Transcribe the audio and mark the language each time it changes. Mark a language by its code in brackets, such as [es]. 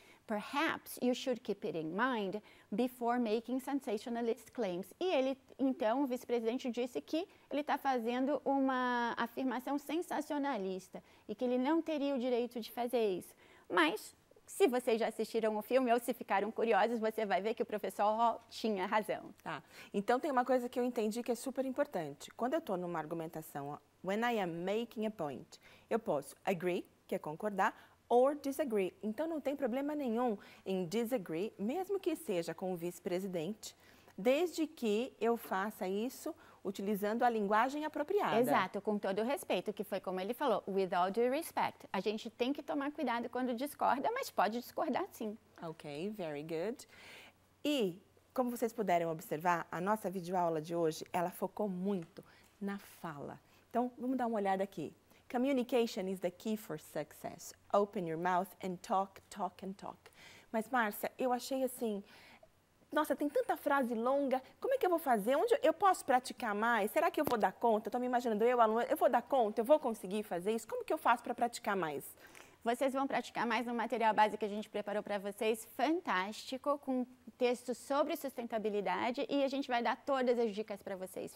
[en] Perhaps you should keep it in mind before making sensationalist claims. [pt] E ele, então, o vice-presidente disse que ele está fazendo uma afirmação sensacionalista e que ele não teria o direito de fazer isso. Mas, se vocês já assistiram o filme ou se ficaram curiosos, você vai ver que o professor Hall tinha razão. Tá. Então, tem uma coisa que eu entendi que é super importante. Quando eu estou numa argumentação, [en] when I am making a point, [pt] eu posso agree, que é concordar, or disagree. Então, não tem problema nenhum em disagree, mesmo que seja com o vice-presidente, desde que eu faça isso utilizando a linguagem apropriada. Exato, com todo o respeito, que foi como ele falou, [en] with all due respect. [pt] A gente tem que tomar cuidado quando discorda, mas pode discordar sim. [en] Ok, very good. [pt] E, como vocês puderam observar, a nossa videoaula de hoje, ela focou muito na fala. Então, vamos dar uma olhada aqui. [en] Communication is the key for success. Open your mouth and talk, talk and talk. [pt] Mas, Márcia, eu achei assim, nossa, tem tanta frase longa, como é que eu vou fazer? Onde eu posso praticar mais? Será que eu vou dar conta? Estou me imaginando, eu, aluna, eu vou dar conta? Eu vou conseguir fazer isso? Como que eu faço para praticar mais? Vocês vão praticar mais no material básico que a gente preparou para vocês, fantástico, com texto sobre sustentabilidade, e a gente vai dar todas as dicas para vocês.